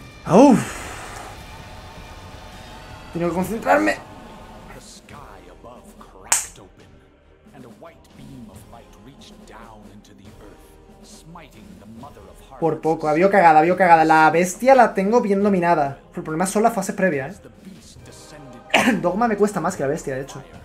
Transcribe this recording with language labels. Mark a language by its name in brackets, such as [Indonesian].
[Spanish] ¡Uf! Tengo que concentrarme. [English] The sky above cracked open, and a white beam of light reached down into the earth, smiting the mother of hearts. [Spanish] Por poco, había cagada, había cagada. La bestia la tengo bien dominada. El problema son las fases previas, ¿eh? Dogma me cuesta más que la bestia, de hecho.